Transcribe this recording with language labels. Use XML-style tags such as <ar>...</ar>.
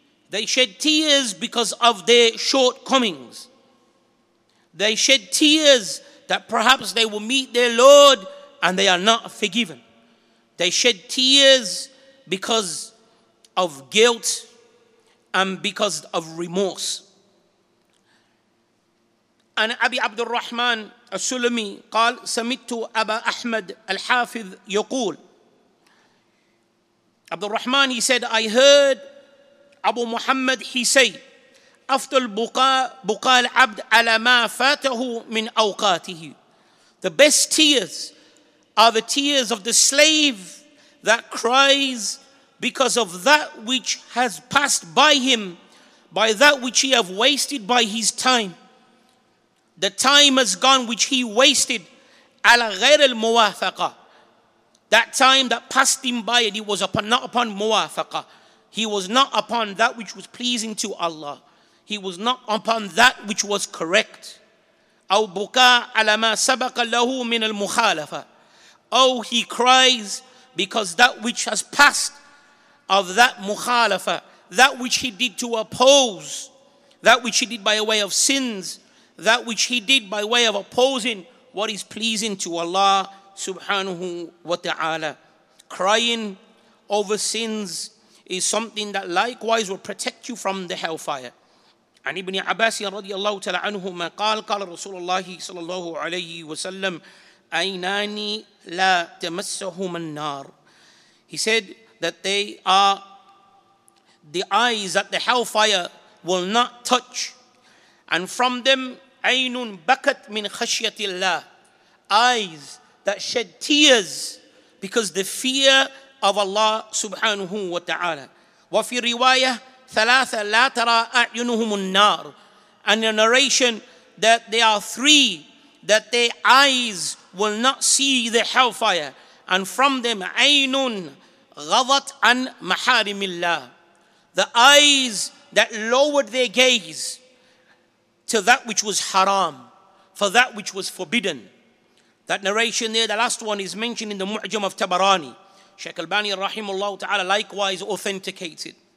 <en>They shed tears because of their shortcomings. They shed tears that perhaps they will meet their Lord and they are not forgiven. They shed tears because of guilt and because of remorse.</en> <ar>And Abi Abdul Rahman As-Sulami قال سمعت أبا أحمد الحافظ يقول.</ar> <en>Abdul Rahman, he said, I heard Abu Muhammad, he say, after</en> <ar>buqa al-abd ala ma fatahu min awqatihi.</ar> <en>The best tears are the tears of the slave that cries because of that which has passed by him, by that which he have wasted by his time. The time has gone which he wasted</en> <ar>ala ghair al-muwafaqa.</ar> <en>That time that passed him by and he was upon, not upon muwafaqa. He was not upon that which was pleasing to Allah. He was not upon that which was correct.</en> <ar>أو بكاء على ما سبق له من المخالفة.</ar> <en>Oh, he cries because that which has passed of that مخالفة, that which he did to oppose, that which he did by way of sins, that which he did by way of opposing what is pleasing to Allah subhanahu wa ta'ala. Crying over sins is something that likewise will protect you from the hellfire.</en> <ar>عن ابن عباس رضي الله تعالى عنه ما قال قال رسول الله صلى الله عليه وسلم عينان لا تمسهما النار.</ar> <en>He said that they are the eyes that the hellfire will not touch. And from them</en> <ar>عين بكت من خشية الله.</ar> <en>Eyes that shed tears because the fear of Allah subhanahu wa ta'ala.</en> <ar>وفي رواية ثلاثة لا ترى أعينهم النار.</ar> <en>And a narration that there are 3 that their eyes will not see the hellfire. And from them</en> <ar>عين غضت عن محارم الله.</ar> <en>The eyes that lowered their gaze to that which was haram, for that which was forbidden. That narration there, the last one, is mentioned in the Mu'jam of Tabarani. Sheikh Albani rahimahullah ta'ala likewise authenticated.</en>